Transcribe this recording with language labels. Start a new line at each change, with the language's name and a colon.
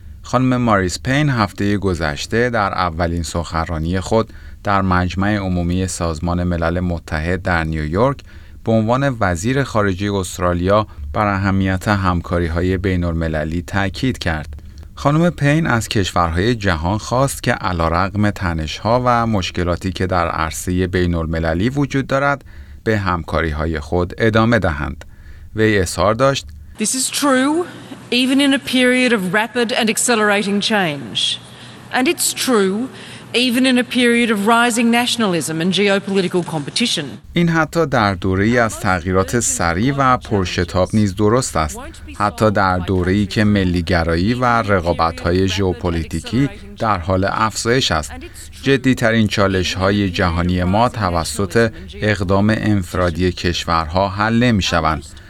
Persian: خانم ماریس پین هفته گذشته در اولین سخنرانی خود در مجمع عمومی سازمان ملل متحد در نیویورک به عنوان وزیر خارجه استرالیا بر اهمیت همکاری‌های بین‌المللی تأکید کرد. خانم پین از کشورهای جهان خواست که علی‌رغم تنش‌ها و مشکلاتی که در عرصه بین‌المللی وجود دارد به همکاری‌های خود ادامه دهند. وی اظهار داشت:
English: This is true. Even in a period of rapid and accelerating change. And it's true, even in a period of rising nationalism and geopolitical competition.
Persian: این حتی در دوره‌ای از تغییرات سریع و پرشتاب نیز درست است. حتی در دوره‌ای که ملی‌گرایی و رقابت‌های ژئوپلیتیکی در حال افزایش است. جدی‌ترین چالش‌های جهانی ما توسط اقدام انفرادی کشورها حل نمی‌شوند.